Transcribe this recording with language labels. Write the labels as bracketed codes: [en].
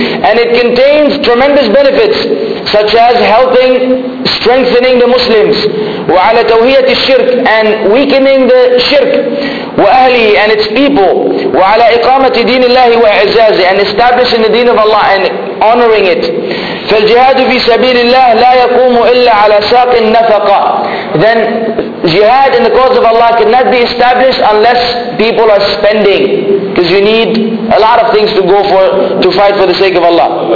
[en] And it contains tremendous benefits, such as helping, strengthening the Muslims. [ar] وعلى توهية الشرك [en] and weakening the shirk [ar] وأهله [en] and its people [ar] وعلى إقامة دين الله وإعزازه [en] and establishing the deen of Allah and honoring it. [ar] فالجهاد في سبيل الله لا يقوم إلا على ساق النفقة. [en] Then jihad in the cause of Allah cannot be established unless people are spending, because you need a lot of things to go for, to fight for the sake of Allah.